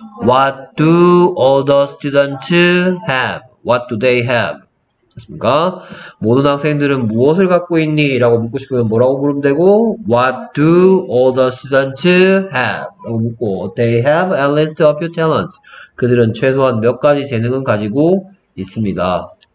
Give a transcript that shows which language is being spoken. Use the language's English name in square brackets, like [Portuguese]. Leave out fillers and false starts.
[English] What do all the students have? What do they have? [Korean] 됐습니까? 모든 학생들은 무엇을 갖고 있니? 라고 묻고 싶으면 뭐라고 물으면 되고, [English] What do all the students have? [Korean] 라고 묻고, [English] They have at least a few talents. [Korean] 그들은 최소한 몇 가지 재능은 가지고 있습니다.